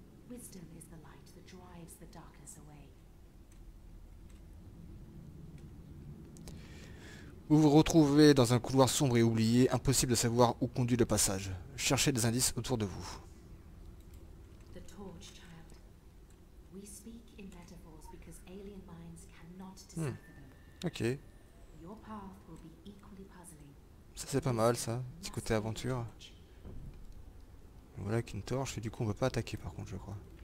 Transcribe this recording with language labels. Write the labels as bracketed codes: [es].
[en] Wisdom is the light that drives the darkness away. [fr] Vous vous retrouvez dans un couloir sombre et oublié, impossible de savoir où conduit le passage. Cherchez des indices autour de vous. [en] The torch, child. We speak in metaphors because alien minds cannot decipher them. Ok. Your path will be equally puzzling. [fr] Ça c'est pas mal ça, petit côté aventure. Voilà qu'une torche, et du coup on va pas attaquer par contre je crois.